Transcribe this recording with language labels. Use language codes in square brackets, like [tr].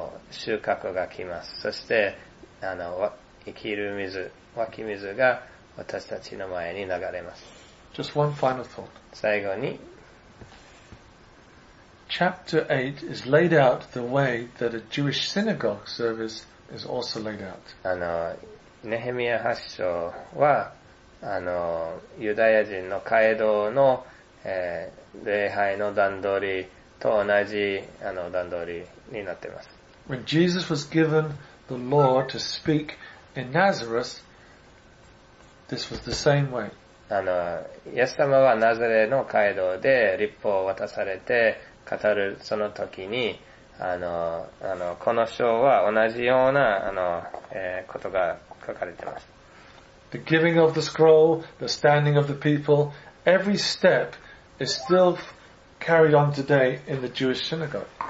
[ja] 収穫が来ます。そして生きる水、湧き水が私たちの前に流れます。 [en] Just one final thought. [ja] 最後に、 [en] Chapter 8 is laid out the way that a Jewish synagogue service is also laid out. [ja] ネヘミヤ8章はユダヤ人の会堂の礼拝の段取りと同じ段取りになっています。 [en] When Jesus was given the law to speak in Nazareth, this was the same way. [ja] イエス様はナザレの街道で律法を渡されて語るその時に、この章は同じような、ことが書かれています。 [en] The giving of the scroll, the standing of the people, every step is still carried on today in the Jewish synagogue.